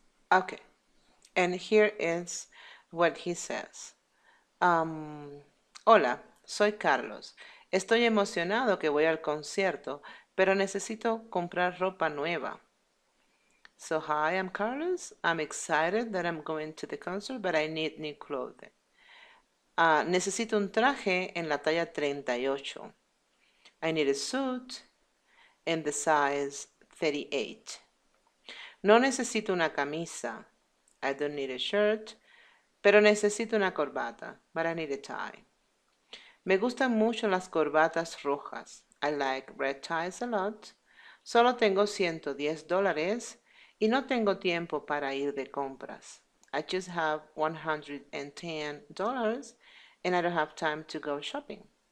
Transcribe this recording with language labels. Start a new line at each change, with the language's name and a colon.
English: Okay, and here is what he says.
Spanish: Hola, soy Carlos. Estoy emocionado que voy al concierto, pero necesito comprar ropa nueva.
English: So, hi, I'm Carlos. I'm excited that I'm going to the concert, but I need new clothing.
Spanish: Necesito un traje en la talla 38.
English: I need a suit in the size 38.
Spanish: No necesito una camisa.
English: I don't need a shirt.
Spanish: Pero necesito una corbata.
English: But I need a tie.
Spanish: Me gustan mucho las corbatas rojas.
English: I like red ties a lot.
Spanish: Solo tengo $110 y no tengo tiempo para ir de compras.
English: I just have $110 and I don't have time to go shopping.